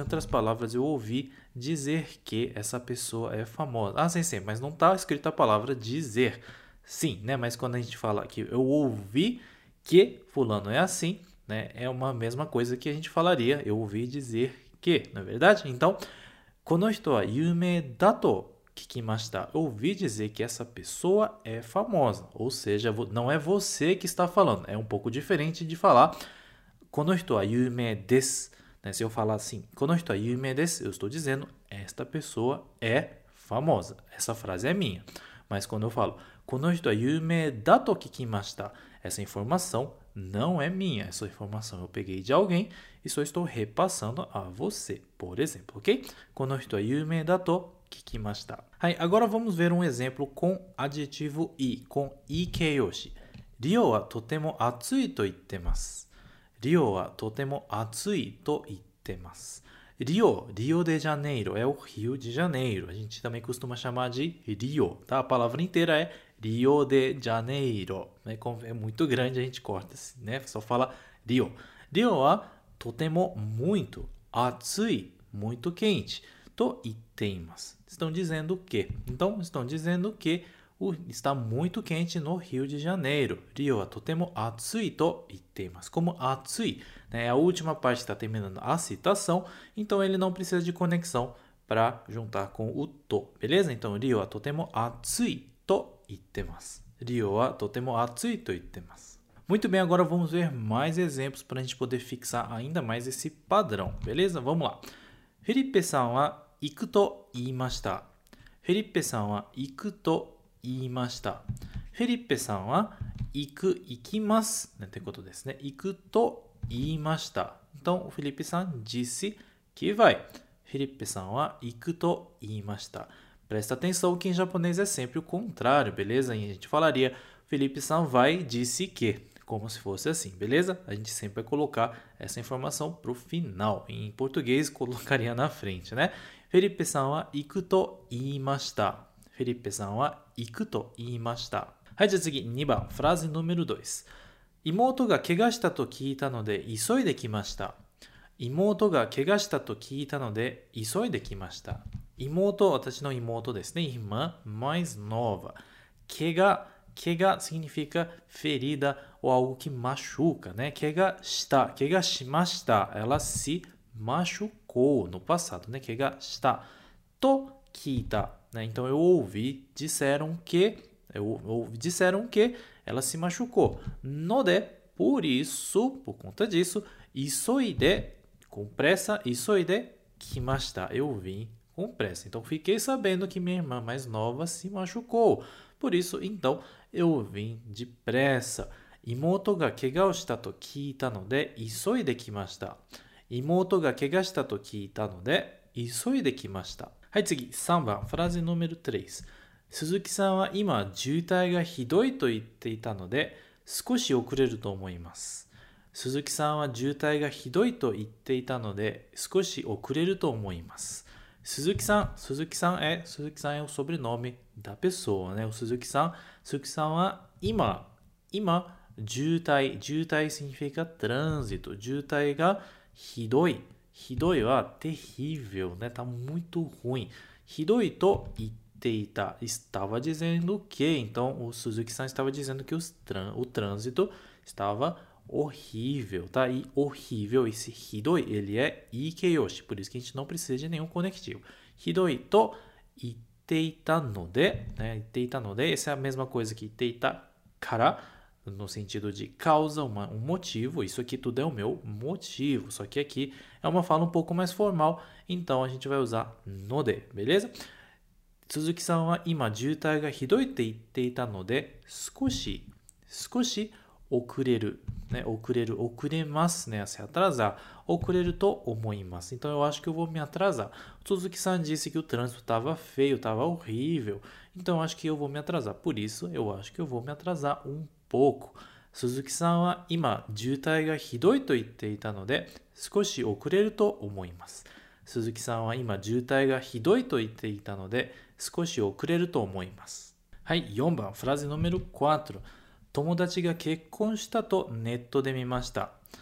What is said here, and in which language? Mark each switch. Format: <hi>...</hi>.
<pt>Em outras palavras, eu ouvi dizer que essa pessoa é famosa. Ah, sim, mas não está escrito a palavra dizer. Sim, né? Mas quando a gente fala que eu ouvi que fulano é assim, né? É uma mesma coisa que a gente falaria. Eu ouvi dizer que, não é verdade?</pt> <ja>Então, この人は有名だと聞きました。</ja> <pt>Ouvi dizer que essa pessoa é famosa. Ou seja, não é você que está falando. É um pouco diferente de falar</pt> <ja>この人は有名です。</ja> <pt>Né? Se eu falar assim,</pt> <ja>この人は有名です、</ja> <pt>eu estou dizendo esta pessoa é famosa. Essa frase é minha. Mas quando eu falo</pt> <ja>この人は有名だと聞きました、</ja> <pt>essa informação não é minha. Essa informação eu peguei de alguém e só estou repassando a você, por exemplo, ok?</pt> <ja>この人は有名だと聞きました。</ja> <pt>はい、agora vamos ver um exemplo com adjetivo i, com i 形容詞。</pt> <ja>リオはとても暑いと言ってます。リオはとても暑いと言ってます。</ja> <pt>リオでジャネイロ、é o Rio de Janeiro. A gente também costuma chamar de Rio, tá? A palavra inteira é Rio de Janeiro, né? Como é muito grande, a gente corta, né? Só fala Rio.</pt> <ja>Rio はとても</ja> <pt>muito</pt> <ja>暑い、</ja> <pt>muito quente</pt> <ja>と言っています。</ja> <pt>Estão dizendo o quê? Então, estão dizendo que está muito quente no Rio de Janeiro.</pt> <ja>Rio はとても暑いと言っています。</ja> <pt>Como 暑い、né? A última parte está terminando a citação, então ele não precisa de conexão para juntar com o to, beleza?</pt> <ja>Então, Rio はとても暑いと言ってます。リオはとても暑いと言ってます。</ja> <pt>Muito bem, agora vamos ver mais exemplos para a gente poder fixar ainda mais esse padrão, beleza? Vamos lá.</pt> <ja>フィリッペさんは行くと言いました。フィリッペさんは行くと言いました。フィリッペさんは行きます、ね、ってことですね。行くと言いました。</ja> <pt>Então, フィリッペさん disse que vai.</pt> <ja>フィリッペさんは行くと言いました。</ja> <pt>Presta atenção que em japonês é sempre o contrário, beleza? E a gente falaria, Felipe-san vai, disse que, como se fosse assim, beleza? A gente sempre vai colocar essa informação para o final. Em português, colocaria na frente, né?</pt> <ja>Felipe-san wa iku to iimashita. Felipe-san wa iku to iimashita. はい、じゃあ次、2番、フラーズ</ja> <pt>número 2.</pt> <ja>妹が怪我したと聞いたので、急いで来ました。妹が怪我したと聞いたので、急いで来ました。妹、私の妹ですね。</ja> <pt>Irmã mais nova. 怪我、怪我 significa ferida ou algo que machuca, né?</pt> <ja>怪我した、怪我しました。</ja> <pt>Ela se machucou no passado, né?</pt> <ja>怪我した。と聞いた、né?</ja> <pt>Então, eu ouvi, disseram que, disseram que ela se machucou.</pt> <ja>ので、</ja> <pt>por isso, por conta disso, 急いで、com pressa,</pt> <ja>急いで来ました。</ja> <pt>Eu vim com pressa. Então, fiquei sabendo que minha irmã mais nova se machucou. Por isso, então, eu vim depressa.</pt> <ja>妹が怪我をしたと聞いたので、急いで来ました。妹が怪我したと聞いたので、急いで来ました。はい、次、3番、フラーズ</ja> <pt>número 3.</pt> <ja>鈴木さんは今、渋滞がひどいと言っていたので、少し遅れると思います。鈴木さんは渋滞がひどいと言っていたので、少し遅れると思います。</ja> <pt>鈴木さん、鈴木さんはお sobrenome da pessoa, né?</pt> <ja>鈴木さんは今、</ja> <pt>渋滞 significa trânsito,</pt> <ja>渋滞がひどい。</ja> <pt>ひどいは terrível, né? Tá muito ruim.</pt> <ja>ひどいと言っていた。</ja> <pt>Estava dizendo o quê? Então, o Suzuki San estava dizendo que o trânsito estava horrível, tá? E horrível, esse hidoi, ele é ikeyoshi, por isso que a gente não precisa de nenhum conectivo. Hidoi to itteita node, né? Itteita node, essa é a mesma coisa que itteita kara, no sentido de causa, um motivo. Isso aqui tudo é o meu motivo, só que aqui é uma fala um pouco mais formal, então a gente vai usar node, beleza?</pt> <ja>Suzuki-san wa ima jūtai ga hidoi te itteita node, 少し遅れる、ね、遅れる、遅れますね、せ、</ja> <pt>atrasar、</pt> <ja>遅れると思います。</ja> <pt>Então, eu acho que eu vou me atrasar. Suzuki San disse que o trânsito estava feio, estava horrível. Então, eu acho que eu vou me atrasar. Por isso, eu acho que eu vou me atrasar um pouco.</pt> <ja>Suzuki San は今、渋滞がひどいと言っていたので、少し遅れると思います。鈴木さんは今、渋滞がひどいと言っていたので、少し遅れると思います。はい、4番、フラゼノメル4。友達が結婚したとネットで見ました。</ja>